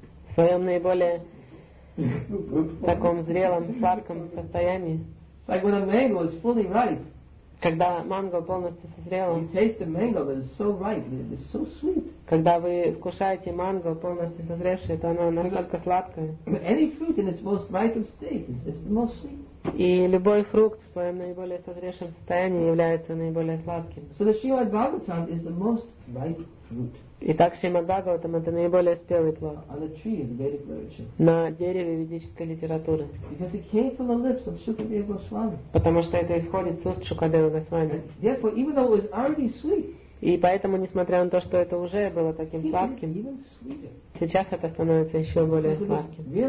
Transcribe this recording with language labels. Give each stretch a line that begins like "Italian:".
Russian: В своем наиболее таком зрелом сладком состоянии.
English: It's like when a mango is fully ripe.
Russian: Когда манго полностью созрело,
English: you taste the mango that is so ripe, it is so sweet.
Russian: Когда вы вкушаете манго полностью созревшее, то оно настолько сладкое.
English: Any fruit in its most ripe state is the most sweet.
Russian: И любой фрукт в своем наиболее созревшем состоянии является наиболее сладким.
English: So the Srimad Bhagavatam is the most ripe fruit.
Russian: Итак, Шримад Бхагаватам это наиболее спелый плод.
English: On the tree of Vedic literature.
Russian: На дереве ведической литературы.
English: Because it came from the lips of Shukadeva Goswami.
Russian: Потому что это исходит с уст Шукадевы Госвами.
English: And therefore, even though it was already sweet.
Russian: И поэтому, несмотря на то, что это уже было таким сладким, сейчас это становится еще более сладким.